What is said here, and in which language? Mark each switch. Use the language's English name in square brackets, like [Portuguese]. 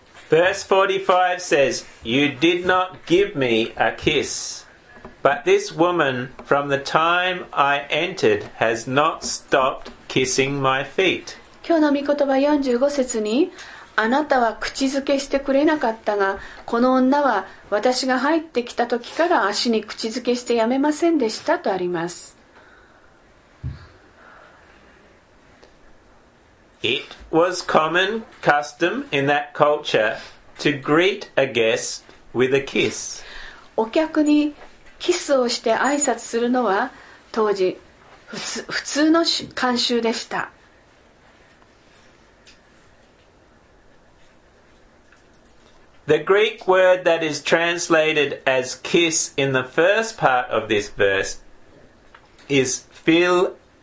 [English] Verse 45 says, "You did not give me a kiss." But this woman, from the time I entered, has not stopped kissing my feet. [Japanese] 今日の御言葉45節に、あなたは口づけしてくれなかったが、この女は私が入ってきた時から足に口づけしてやめませんでしたとあります。 [English] It was common custom in that culture to greet a guest with a kiss. [Japanese] お客にキスをして挨拶するのは当時普通の慣習でした。 [English] The Greek word that is translated as kiss in the first part of this verse is philema.